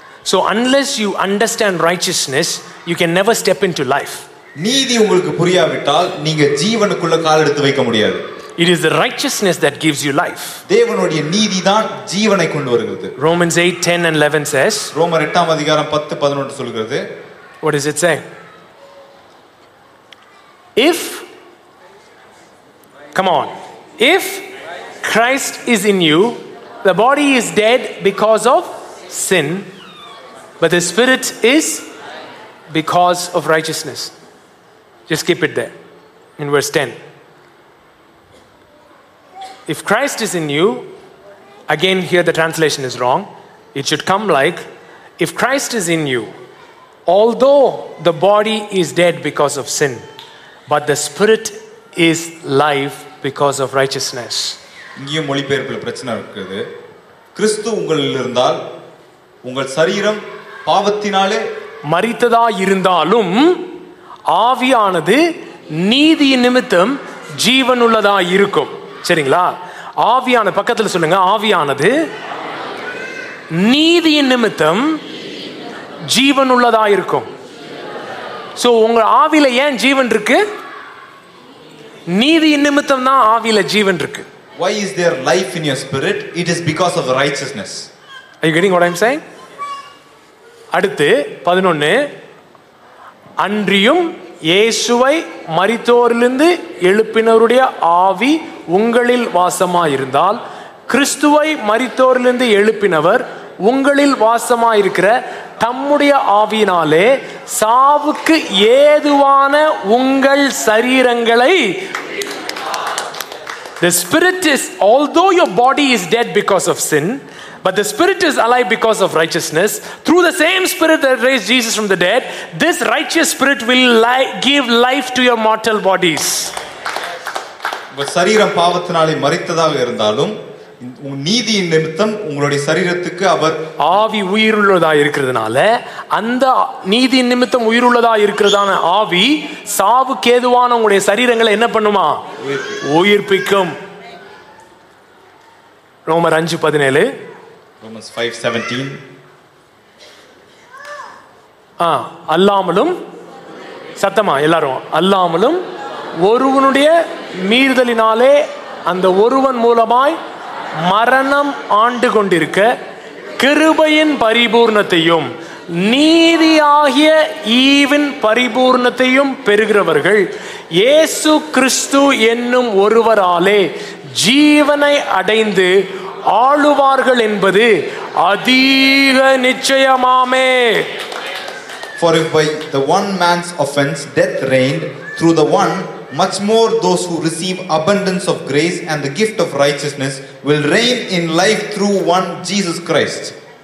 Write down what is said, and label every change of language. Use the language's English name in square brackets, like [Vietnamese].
[English] So unless you understand righteousness, you can never step into life. [Tamil] நீதி உங்களுக்கு புரியாவிட்டால் நீங்க ஜீவனுக்குள்ள கால் எடுத்து வைக்க முடியாது. [English] It is the righteousness that gives you life. [Tamil] தேவனுடைய நீதி தான் ஜீவனை கொண்டு வருகிறது. [English] Romans 8, 10 and 11 says. [Tamil] ரோமர் 8 அதிகாரம் 10 11 சொல்கிறது. [English] What does it say? If, come on, if Christ is in you, the body is dead because of sin, but the spirit is because of righteousness. Just keep it there in verse 10. If Christ is in you, again here the translation is wrong. It should come like, if Christ is in you, although the body is dead because of sin, but the spirit is life because of righteousness. [Tamil] இங்க மொழிபெயர்ப்பில் பிரச்சனை இருக்குது. கிறிஸ்து உங்களில் இருந்தால் உங்கள் சரீரம் பாவத்தினாலே மரித்ததா இருந்தாலும் ஆவியானது நீதி நிமித்தம் ஜீவனுள்ளதா இருக்கும். சரிங்களா? ஆவியான பக்கத்தில் சொல்லுங்க, ஆவியானது நீதி நிமித்தம் ஜீவனுள்ளதா இருக்கும். சோ உங்க ஆவியில ஏன் ஜீவன் இருக்கு? நீதி நிமித்தம் தான் ஆவியில ஜீவன் இருக்கு. [English] Why is there life in your spirit? It is because of righteousness. Are you getting what I'm saying? [Tamil] அடுத்து 11, அன்றியும் இயேசுவை மரித்தோரிலிருந்து எழுப்பினருடைய ஆவி உங்களில் வாசமாயிருந்தால், கிறிஸ்துவை மரித்தோரிலிருந்து எழுப்பினவர் உங்களில் வாசமாயிருக்கிற தம்முடைய ஆவியினாலே சாவுக்கு ஏதுவான உங்கள் சரீரங்களை. [English] The spirit is, although your body is dead because of sin, but the spirit is alive because of righteousness. Through the same spirit that raised Jesus from the dead, this righteous spirit will give life to your mortal bodies. [Tamil] சரீரம் பாவத்தினாலே மரித்ததாக இருந்தாலும் நீதியின் நிமித்தம் உங்களுடைய சரீரத்துக்கு அவர் ஆவி உயிருள்ளதா இருக்கிறதுனால அந்த நீதியின் நிமித்தம் உயிருள்ளதா இருக்கிறதான ஆவி சாவு கேதுவான உங்களுடைய சரீரங்களை என்ன பண்ணுமா? உயிர்ப்பிக்கும். ரோமர் 5:17 அல்லாமலும், சத்தமா எல்லாரும், அல்லாமலும் ஒருவனுடைய மீறுதலினாலே அந்த ஒருவன் மூலமாய் மரணம் ஆண்டு கொண்டிருக்க கிருபையின் பரிபூர்ணத்தையும் நீதியாகிய ஈவின் பரிபூர்ணத்தையும் பெறுகிறவர்கள் இயேசு கிறிஸ்து என்னும் ஒருவராலே ஜீவனை அடைந்து ஆளுவார்கள் என்பது அதீக நிச்சயமாமே. [English] For if by the one man's offense death reigned through the one, much more those who receive abundance of grace and the gift of righteousness will reign in life through one, Jesus Christ.